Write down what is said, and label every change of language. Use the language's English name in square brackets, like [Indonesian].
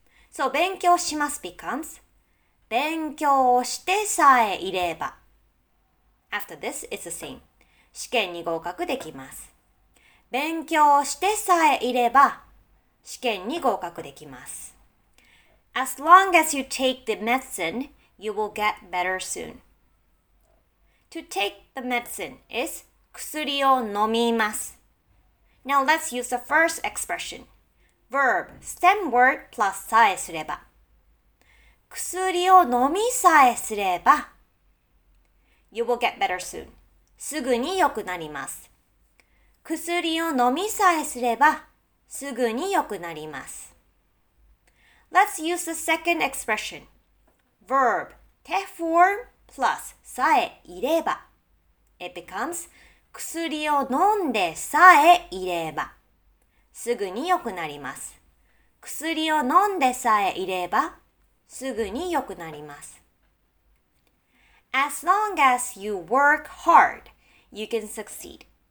[English] So 勉強します becomes [Japanese] 勉強してさえいれば。 [English] After this, it's the same. [Japanese] 試験に合格できます。勉強してさえいれば試験に合格できます。 [English] As long as you take the medicine, you will get better soon. To take the medicine is [Japanese] 薬を飲みます。 [English] Now let's use the first expression. Verb, stem word plus さえすれば。 [Japanese] 薬を飲みさえすれば。 [English] You will get better soon. [Japanese] すぐに良くなります。薬を飲みさえすれば。すぐに良くなります。 [English] Let's use the second expression. Verb, 手 form plus さえいれば。 It becomes [Japanese] 薬を飲んでさえいれば。すぐに良くなります。薬を飲んでさえいれば、すぐに良くなります。 [English] As long as you work hard, you can succeed.